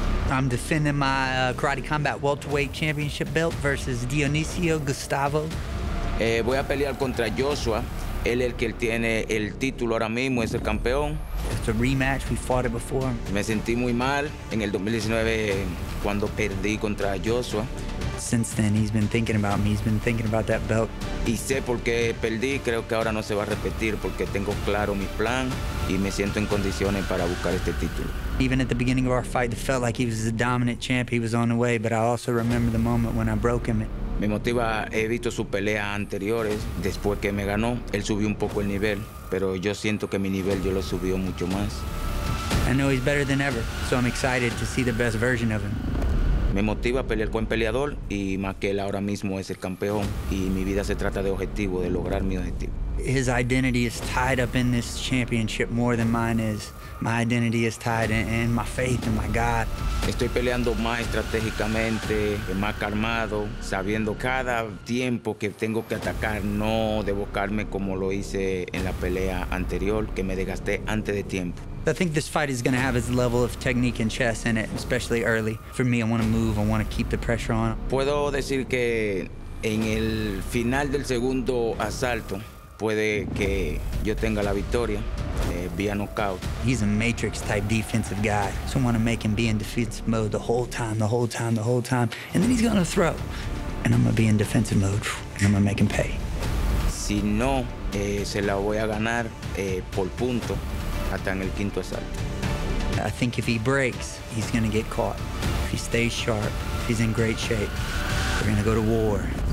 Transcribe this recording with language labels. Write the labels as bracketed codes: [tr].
[en] I'm defending my Karate Combat Welterweight Championship belt versus Dionicio Gustavo. [es] Voy a pelear contra Joshua. Él es el que tiene el título ahora mismo, es el campeón. [en] It's a rematch, we fought it before. [es] Me sentí muy mal en el 2019 cuando perdí contra Joshua. [en] Since then, he's been thinking about me, he's been thinking about that belt. [es] Y sé por qué perdí, creo que ahora no se va a repetir porque tengo claro mi plan y me siento en condiciones para buscar este título. [en] Even at the beginning of our fight, it felt like he was the dominant champ, he was on the way, but I also remember the moment when I broke him. [es] Me motiva, he visto su pelea anteriores, después que me ganó, él subió un poco el nivel, pero yo siento que mi nivel yo lo subió mucho más. [en] I know he's better than ever, so I'm excited to see the best version of him. [es] Me motiva pelear con peleador y más que él ahora mismo es el campeón y mi vida se trata de objetivo, de lograr mi objetivo. [en] His identity is tied up in this championship more than mine is. My identity is tied in my faith and my God. [es] Estoy peleando más estratégicamente, más calmado, sabiendo cada tiempo que tengo que atacar, no debo caerme como lo hice en la pelea anterior, que me desgasté antes de tiempo. [en] I think this fight is going to have its level of technique and chess in it, especially early. For me, I want to move, I want to keep the pressure on. [es] Puedo decir que en el final del segundo asalto, puede que yo tenga la victoria, vía knockout. [en] He's a matrix type defensive guy. So I want to make him be in defensive mode the whole time, the whole time, the whole time. And then he's going to throw. And I'm going to be in defensive mode. And I'm going to make him pay. [es] Si no, se la voy a ganar por punto hasta en el quinto asalto. [en] I think if he breaks, he's going to get caught. If he stays sharp, if he's in great shape, we're going to go to war.